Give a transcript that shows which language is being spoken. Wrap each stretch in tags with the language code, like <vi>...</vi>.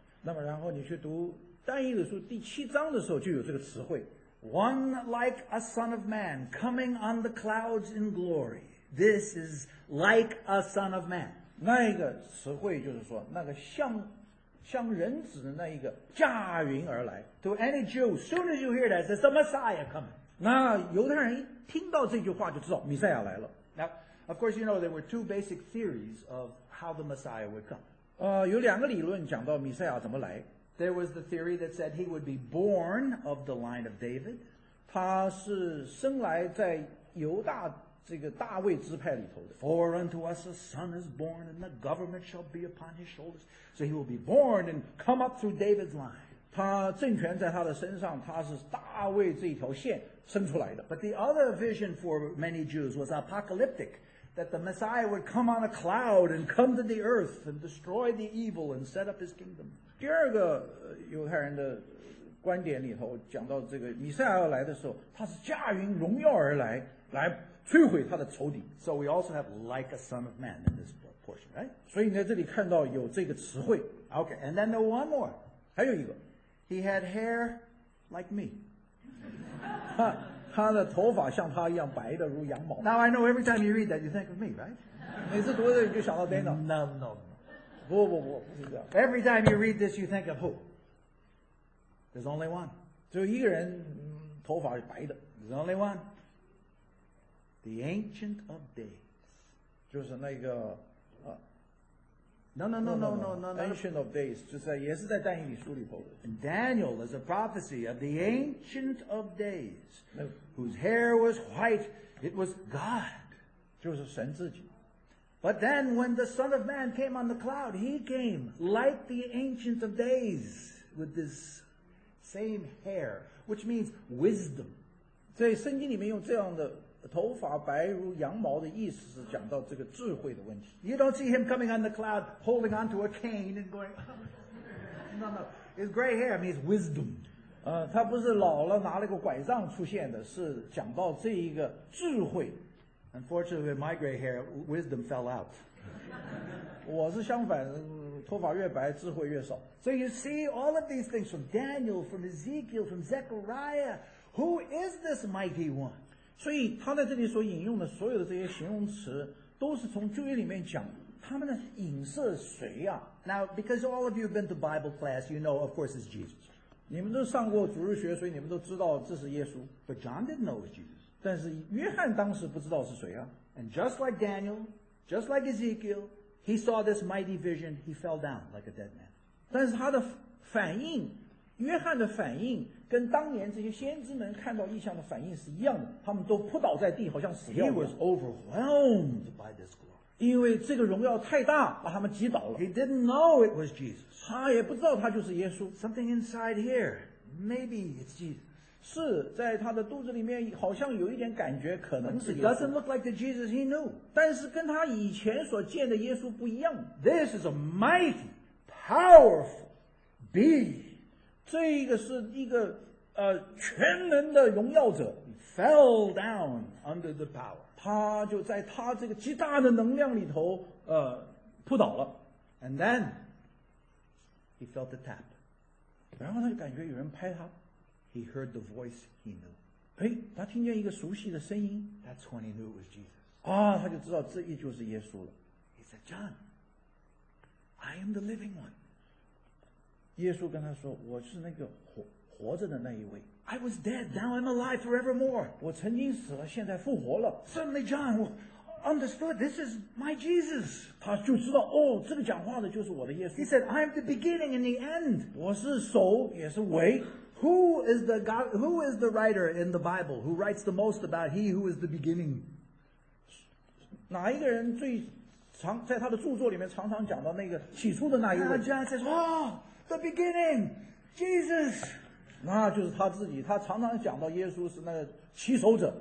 <zh>那么然后你去读但以理书第七章的时候就有这个词汇。</zh> <en>One like a son of man coming on the clouds in glory. This is like a son of man.</en> <zh>那一个词汇就是说那个像人子的那一个驾云而来。</zh> <en>To any Jew, soon as you hear that, it's the Messiah coming.</en> <zh>那犹太人听到这句话就知道弥赛亚来了。</zh> <en>Now, of course, you know, there were two basic theories of how the Messiah would come.</en> <zh>有两个理论讲到弥赛亚怎么来。</zh> <en>There was the theory that said he would be born of the line of David.</en> <zh>他是生来在犹大这个大卫支派里头的。</zh> <en>For unto us a son is born, and the government shall be upon his shoulders. So he will be born and come up through David's line.</en> <zh>他政权在他的身上，他是大卫这一条线生出来的。</zh> <en>But the other vision for many Jews was apocalyptic, that the Messiah would come on a cloud and come to the earth and destroy the evil and set up his kingdom.</en> <zh>第二个犹太人的观点里头讲到这个弥赛亚来的时候他是驾云荣耀而来来摧毁他的仇敌。</zh> <en>So we also have like a son of man in this portion, right?</en> <zh>所以你在这里看到有这个词汇。</zh> <en>Okay, and then there one more.</en> <zh>还有一个。</zh> <en>He had hair like me.</en> <zh>他的头发像他一样白的如羊毛。</zh> <en>Now I know every time you read that you think of me, right?</en> <zh>每次读这个就想到 Daniel.</zh> <en>No, no.</en> <zh>不是</zh> <en>Every time you read this, you think of who? There's only one.</en> <zh>只有一个人头发是白的。</zh> <en>There's only one. The Ancient of Days.</en> <zh>就是那个、</zh> <en>No.</en> <zh>Ancient of Days, 就是也是在但以理书里头的。</zh> <en>And Daniel is a prophecy of the Ancient of Days, whose hair was white. It was God.</en> <zh>就是神自己。</zh> <en>But then when the Son of Man came on the cloud, he came like the Ancient of Days with this same hair, which means wisdom.</en> <zh>在圣经里面用这样的头发白如羊毛的意思是讲到这个智慧的问题。</zh> <en>You don't see him coming on the cloud holding onto a cane and going, no. His gray hair means wisdom.</en> <zh>他不是老了拿了个拐杖出现的是讲到这一个智慧。</zh> <en>Unfortunately, with my gray hair, wisdom fell out.</en> <zh>我是相反，头发越白，智慧越少。</zh> <en>So you see all of these things from Daniel, from Ezekiel, from Zechariah. Who is this mighty one?</en> <zh>所以他在这里所引用的所有的这些形容词，都是从旧约里面讲。他们的影射谁呀？</zh> <en>Now, because all of you have been to Bible class, you know, of course, it's Jesus.</en> <zh>你们都上过主日学，所以你们都知道这是耶稣。</zh> <en>But John didn't know it was Jesus.</en> <zh>但是约翰当时不知道是谁啊。</zh> <en>And just like Daniel, just like Ezekiel, he saw this mighty vision, he fell down like a dead man.</en> <zh>但是他的反应，约翰的反应跟当年这些先知们看到异象的反应是一样的，他们都扑倒在地，好像死掉了。</zh> <en>He was overwhelmed by this glory.</en> <zh>因为这个荣耀太大，把他们击倒了。</zh> <en>He didn't know it was Jesus.</en> <zh>他也不知道他就是耶稣。</zh> <en>Something inside here, maybe it's Jesus.</en> <zh>是在他的肚子里面好像有一点感觉可能是</zh> <en>doesn't look like the Jesus he knew</en> <zh>但是跟他以前所见的耶稣不一样</zh> <en>This is a mighty powerful being</en> <zh>这个是一个全能的荣耀者</zh> <en>He fell down under the power</en> <zh>他就在他这个极大的能量里头扑倒了</zh> <en>And then he felt the tap</en> <zh>然后他就感觉有人拍他</zh> <en>He heard the voice he knew.</en> <zh>他听见一个熟悉的声音。</zh> <en>That's when he knew it was Jesus.</en> <zh>他就知道这也就是耶稣了。</zh> <en>He said, John, I am the living one.</en> <zh>耶稣跟他说，我是那个活着的那一位。</zh> <en>I was dead, now I'm alive forevermore.</en> <zh>我曾经死了，现在复活了。</zh> <en>Suddenly John understood this is my Jesus.</en> <zh>他就知道，哦，这个讲话的就是我的耶稣。</zh> <en>He said, I am the beginning and the end.</en> <zh>我是首，也是尾。</zh> <en>Who is the God, who is the writer in the Bible who writes the most about he who is the beginning?</en> <zh>哪一个人最常在他的著作里面常常讲到那个起初的那一位</zh> <en>John says, oh, the beginning, Jesus.</en> <zh>那就是他自己他常常讲到耶稣是那个起手者</zh>